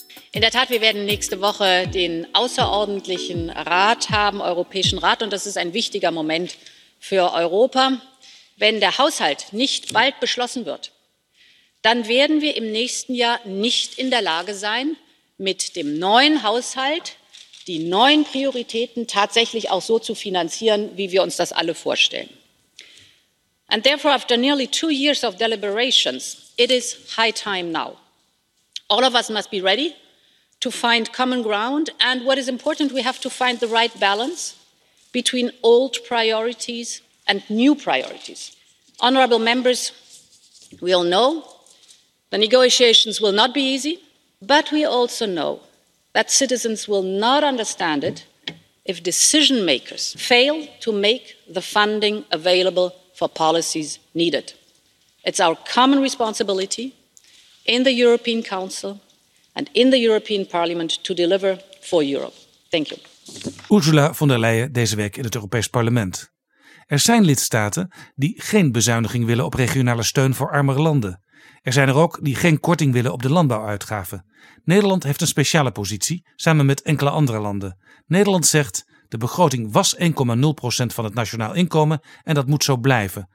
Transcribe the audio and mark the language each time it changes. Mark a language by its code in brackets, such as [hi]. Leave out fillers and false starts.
[de] In der Tat, wir werden nächste Woche den außerordentlichen Rat haben, Europäischen Rat, und das ist ein wichtiger Moment für Europa. Wenn der Haushalt nicht bald beschlossen wird, dann werden wir im nächsten Jahr nicht in der Lage sein, mit dem neuen Haushalt die neuen Prioritäten tatsächlich auch so zu finanzieren, wie wir uns das alle vorstellen. [en] And therefore, after nearly 2 years of deliberations, it is high time now. All of us must be ready to find common ground. And what is important, we have to find the right balance between old priorities and new priorities. Honorable members, we all know the negotiations will not be easy, but we also know that citizens will not understand it if decision makers fail to make the funding available for policies needed. It's our common responsibility in the European Council and in the European Parliament to deliver for Europe. Thank you. [nl] Ursula von der Leyen deze week in het Europees Parlement. Er zijn lidstaten die geen bezuiniging willen op regionale steun voor armere landen. Er zijn er ook die geen korting willen op de landbouwuitgaven. Nederland heeft een speciale positie samen met enkele andere landen. Nederland zegt: de begroting was 1,0% van het nationaal inkomen en dat moet zo blijven.